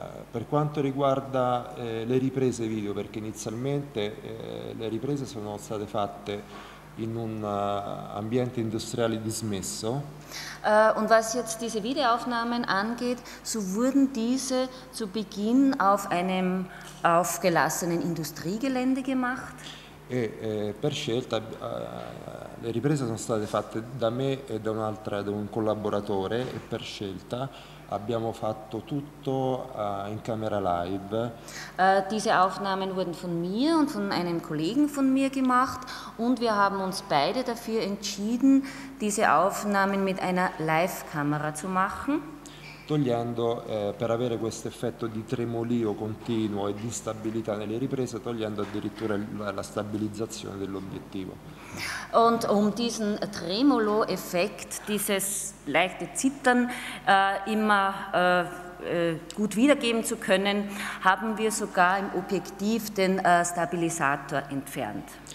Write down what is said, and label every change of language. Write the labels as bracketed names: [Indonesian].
[Italian] Per quanto riguarda le riprese video, perché inizialmente le riprese sono state fatte in un ambiente industriale dismesso. [German] Und was jetzt diese Videoaufnahmen angeht, so wurden diese zu Beginn auf einem aufgelassenen Industriegelände gemacht. [Italian] Per scelta le riprese sono state fatte da me e da un collaboratore, e per scelta abbiamo fatto tutto in camera live. [German] Diese Aufnahmen wurden von mir und von einem Kollegen von mir gemacht und wir haben uns beide dafür entschieden, diese Aufnahmen mit einer Live-Kamera zu machen. [Italian] Togliendo, per avere questo effetto di tremolio continuo e di instabilità nelle riprese, togliendo addirittura la stabilizzazione dell'obiettivo. [German] Und um diesen Tremolo-Effekt, dieses leichte Zittern, immer gut wiedergeben zu können, haben wir sogar im Objektiv den Stabilisator entfernt.